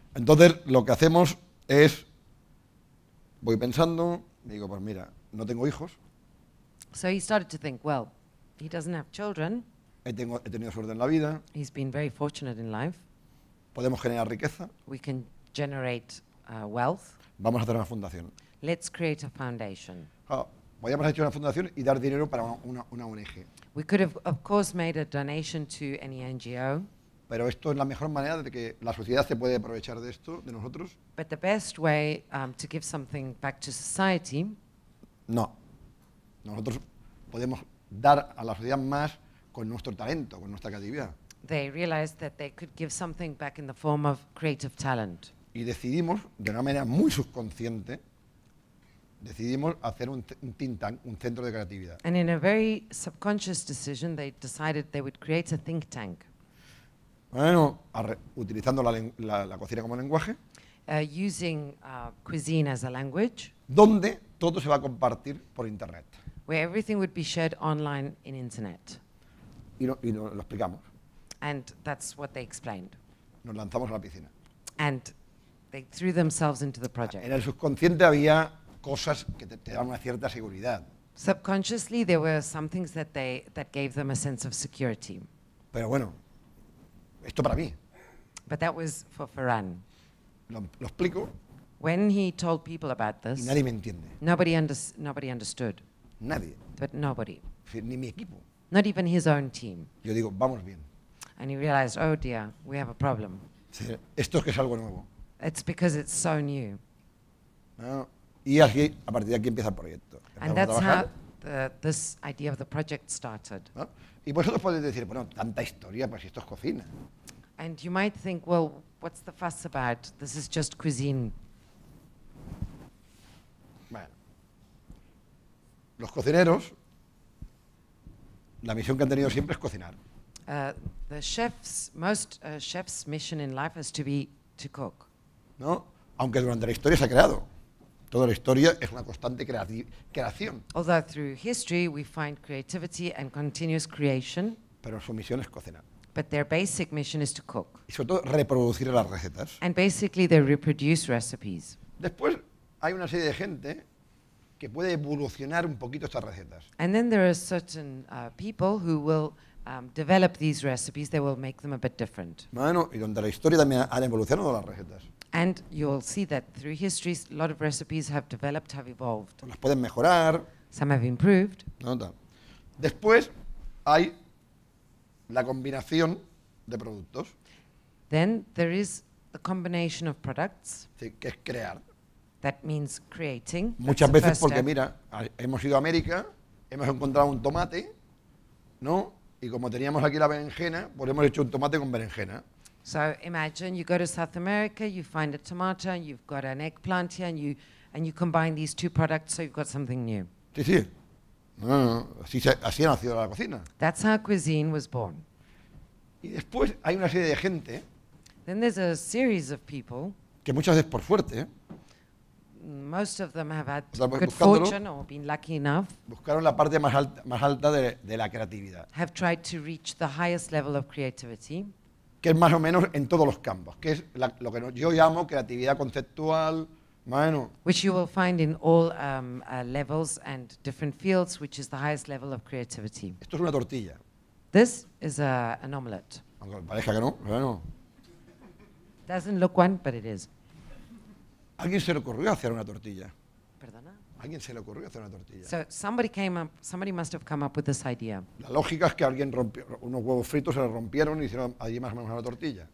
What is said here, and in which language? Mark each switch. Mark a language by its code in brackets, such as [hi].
[es] Entonces lo que hacemos es voy pensando, digo, pues mira, no tengo hijos. [en] So he started to think, well, he doesn't have children. [es] He tenido suerte en la vida. [en] He's been very fortunate in life. [es] Podemos generar riqueza. [en] We can generate wealth. [es] Vamos a hacer una fundación. [en] Let's create a foundation. [es] Podríamos hacer una fundación y dar dinero para una ONG. [en] We could have, of course, made a donation to any NGO. [es] Pero esto es la mejor manera de que la sociedad se puede aprovechar de esto, de nosotros. [en] But the best way to give something back to society. [es] No. Nosotros podemos dar a la sociedad más con nuestro talento, con nuestra creatividad. [en] They realized that they could give something back in the form of creative talent. [es] Y decidimos, de una manera muy subconsciente, decidimos hacer un think tank, un centro de creatividad. [en] And in a very subconscious decision, they decided they would create a think tank. [es] Bueno, utilizando la cocina como lenguaje. [en] Using cuisine as a language. [es] Donde todo se va a compartir por internet. [en] Where everything would be shared online in internet. [es] Y no lo explicamos. [en] And that's what they explained. [es] Nos lanzamos a la piscina. [en] And they threw themselves into the project. [es] En el subconsciente había cosas que te daban una cierta seguridad. [en] Subconsciously there were some things that that gave them a sense of security. [es] Pero bueno. Esto para mí. [en] But that was for Ferran. [es] Lo explico. [en] When he told people about this. [es] Y nadie me entiende. [en] Nobody understood. [es] Nadie. [en] But nobody. [es] Ni mi equipo. [en] Not even his own team. [es] Yo digo, vamos bien. [en] And he realized, oh dear, we have a problem. [es] Sí, esto es que es algo nuevo. [en] It's because it's so new. [es] No, Y así, a partir de aquí empieza el proyecto. [en] And that's how this idea of the project started. [es] ¿No? Y vosotros podéis decir, bueno, tanta historia, pues esto es cocina. [en] And you might think, well, what's the fuss about? This is just cuisine. [es] Bueno. Los cocineros, la misión que han tenido siempre es cocinar. [en] The chefs, most chefs' mission in life is to be to cook. [es] No, aunque durante la historia se ha creado. Toda la historia es una constante creación. [en] Although through history we find creativity and continuous creation. [es] Pero su misión es cocinar. [en] But their basic mission is to cook. [es] Y sobre todo reproducir las recetas. [en] And basically they reproduce recipes. [es] Después hay una serie de gente que puede evolucionar un poquito estas recetas. [en] And then there are certain people who will develop these recipes, they will make them a bit different. [es] Bueno, y donde la historia también ha evolucionado las recetas. [en] And you'll see that through history, a lot of recipes have developed, have evolved. [es] Las pueden mejorar. [en] Some have improved. [es] Nota. Después hay la combinación de productos. [en] Then there is the combination of products. [es] Sí, que es crear. [en] That means creating. [es] Muchas veces porque mira, hemos ido a América, hemos encontrado un tomate, ¿no? Y como teníamos aquí la berenjena, pues hemos hecho un tomate con berenjena. [en] So imagine you go to South America, you find a tomato, and you've got an eggplant here, and you combine these two products, so you've got something new. [es] Sí, sí. No. Así ha nacido la cocina. [en] That's how cuisine was born. [es] Y después hay una serie de gente. [en] Then there's a series of people. [es] Que muchas veces por suerte. [en] Most of them have had good fortune or been lucky enough. [es] Buscaron la parte más alta de la creatividad. [en] Have tried to reach the highest level of creativity. [es] Que es más o menos en todos los campos, que es lo que yo llamo creatividad conceptual, bueno. [en] Which you will find in all levels and different fields, which is the highest level of creativity. [es] Esto es una tortilla. [en] This is an omelette. [es] Aunque parezca que no, bueno. [en] Doesn't look one, but it is. [es] ¿Alguien se le ocurrió hacer una tortilla? ¿Perdona? ¿Alguien se le ocurrió hacer una tortilla? [en] So somebody came up, somebody must have come up with this idea. [es] La lógica es que alguien rompió unos huevos fritos, se los rompieron y hicieron allí más o menos una tortilla.